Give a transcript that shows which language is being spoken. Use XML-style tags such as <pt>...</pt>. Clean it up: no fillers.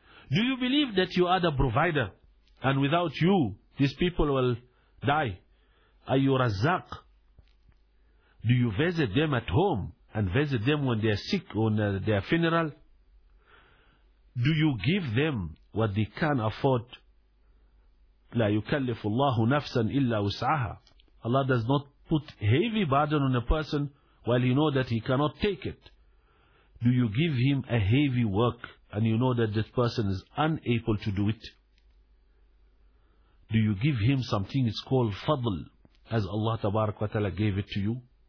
<en>Do you believe that you are the provider, and without you, these people will die? Are you Razak? Do you visit them at home and visit them when they are sick on their funeral? Do you give them what they can afford?</en> <ar>لا يكلف الله نفسا إلا وسعها.</ar> <en>Allah does not put heavy burden on a person while he know that he cannot take it. Do you give him a heavy work and you know that this person is unable to do it? Do you give him something, it's called fadl, as Allah tabarak wa ta'ala gave it to you?</en>